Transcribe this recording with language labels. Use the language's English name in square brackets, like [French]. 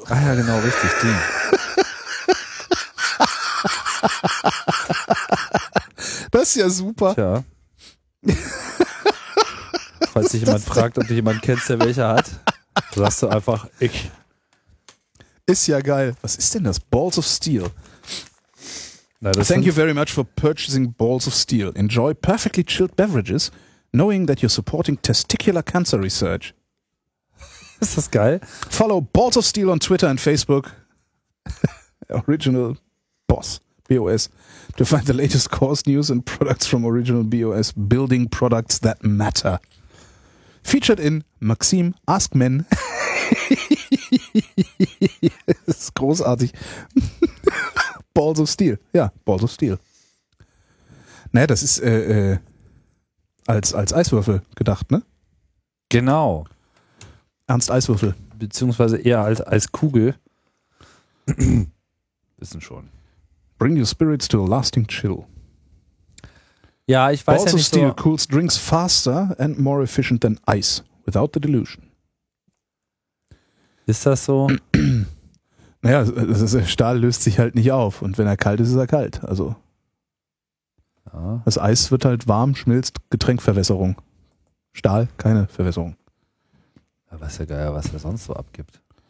[German] Ah ja, genau, richtig, den. Das ist ja super. Tja. Falls sich jemand fragt, ob du jemanden kennst, der welche hat, sagst du einfach, ich. Ist ja geil. Was ist denn das? Balls of Steel. [English] Thank you very much for purchasing Balls of Steel. Enjoy perfectly chilled beverages, knowing that you're supporting testicular cancer research. [German] Ist das geil? [English] Follow Balls of Steel on Twitter and Facebook. Original Boss, BOS. To find the latest course news and products from Original BOS, building products that matter. Featured in Maxim Ask Men. [German] Das ist großartig. Balls of Steel. Ja, Balls of Steel. Naja, das ist als Eiswürfel gedacht, ne? Genau. Ernst Eiswürfel. Beziehungsweise eher als Eiskugel. Wissen schon. [English] Bring your spirits to a lasting chill. [German] Ja, ich weiß [English] Balls [German] ja nicht [English] of Steel [German] so. [English] Cools drinks faster and more efficient than ice without the dilution. [German] Ist das so? Naja, Stahl löst sich halt nicht auf und wenn er kalt ist, ist er kalt. Also ja. Das Eis wird halt warm, schmilzt, Getränkverwässerung. Stahl, keine Verwässerung. Da weiß ja geil, was er sonst so abgibt.